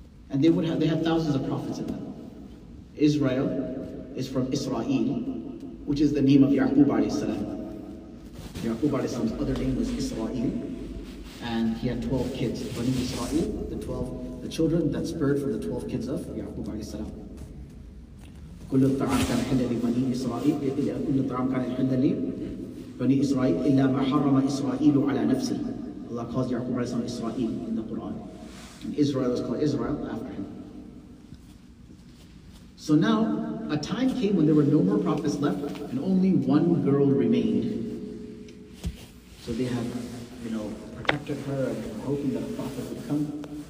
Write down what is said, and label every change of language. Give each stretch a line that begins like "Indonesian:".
English: And they have thousands of prophets in them. Israel is from Israel, which is the name of Ya'qub alayhi salam. Ya'qub alayhi salam's other name was Israel. And he had 12 kids, Bani Israel, the children that spurred from the 12 kids of Ya'qub alayhi salam.
Arabic: كل الطعام كان حلا لبني إسرائيل إلا كل الطعام كان حلا لبني إسرائيل إلا ما حرم إسرائيل على نفسه.
English: Allah calls Ya'qub alayhi salam Israel in the Quran. And Israel is called Israel after him. So now, a time came when there were no more prophets left and only one girl remained. So they had, protected her and hoping that a prophet would come.